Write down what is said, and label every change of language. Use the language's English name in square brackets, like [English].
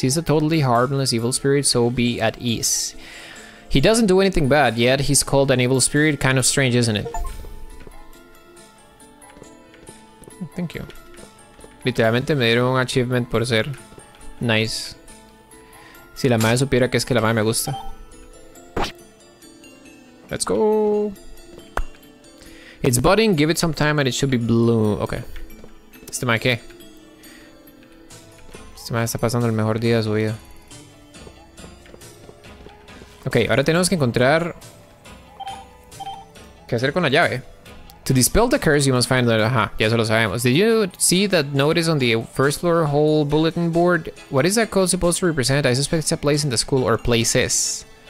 [English] He's a totally harmless evil spirit, so be at ease. He doesn't do anything bad, yet he's called an evil spirit. Kind of strange, isn't it? Thank you. [Spanish] Literalmente me dieron un achievement por ser nice. Si la madre supiera que es que la madre me gusta. [English] Let's go. It's budding, give it some time and it should be blue. [Spanish] Okay. Este man, ¿qué? Este man está pasando el mejor día de su vida. Ok, ahora tenemos que encontrar... ¿Qué hacer con la llave? [English] To dispel the curse, you must find that. [Spanish] Aha, ya se lo sabemos. [English] Did you see that notice on the first floor whole bulletin board? What is that code supposed to represent? I suspect it's a place in the school or places.